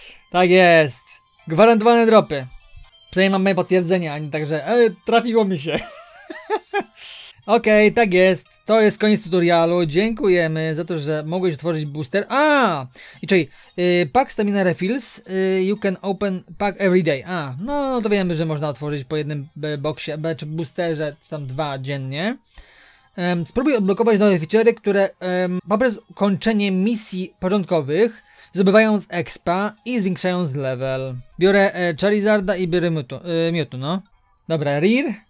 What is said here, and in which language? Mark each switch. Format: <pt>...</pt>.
<pl>Tak jest. Gwarantowane dropy. Przynajmniej mamy potwierdzenie, a nie tak, że trafiło mi się. Okej, tak jest. To jest koniec tutorialu. Dziękujemy za to, że mogłeś otworzyć booster. A! I czyli</pl> <en>pack stamina refills, you can open pack every day.</en> <pl>A, no to wiemy, że można otworzyć po jednym boksie, czy boosterze, czy tam dwa dziennie. spróbuj odblokować nowe feature'y, które poprzez ukończenie misji porządkowych zdobywając expa i zwiększając level. Biorę Charizarda i biorę Mewtwo, no. Dobra, Rear.</pl>